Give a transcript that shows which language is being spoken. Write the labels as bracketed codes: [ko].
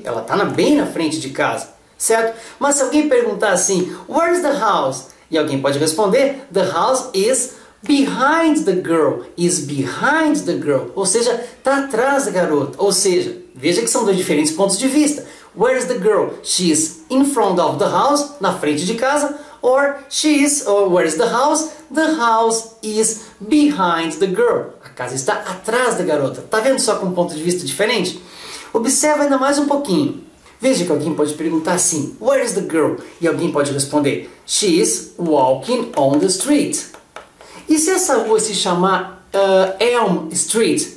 [pt] Ela está bem na frente de casa. Certo? Mas se alguém perguntar assim, [en] where is the house? [pt] E alguém pode responder, [en] the house is behind the girl. Is behind the girl. [pt] Ou seja, está atrás da garota. Ou seja, veja que são dois diferentes pontos de vista. [en] Where is the girl? She is in front of the house, [pt] na frente de casa. [en] Or she is, or where is the house? The house is behind the girl. [pt] A casa está atrás da garota. Tá vendo só com um ponto de vista diferente? Observa ainda mais um pouquinho. Veja que alguém pode perguntar assim, [en] where is the girl? [pt] E alguém pode responder, [en] she is walking on the street. [pt] E se essa rua se chamar Elm Street?